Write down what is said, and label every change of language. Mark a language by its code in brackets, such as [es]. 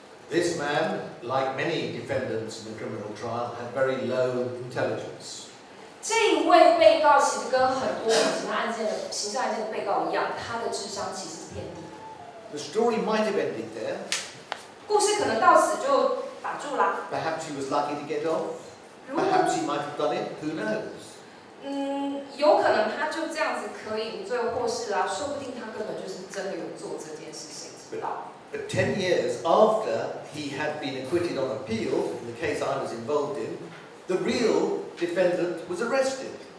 [en] This man, like many defendants in the criminal trial, had very low intelligence. [zh] 这一位被告其实跟很多其他案件的刑事案件的被告一样，他的智商其实偏低。 [en] The story might have ended there. [zh] 故事可能到此就打住了。 [en] Perhaps he was lucky to get off. Perhaps he might have done it. Who knows? [zh] 有可能他就这样子可以无罪获释啊，说不定他根本就是真的有做这件事情，知道。 [en] But 10 years after he had been acquitted on appeal in the case I was involved in, the real defendant was arrested.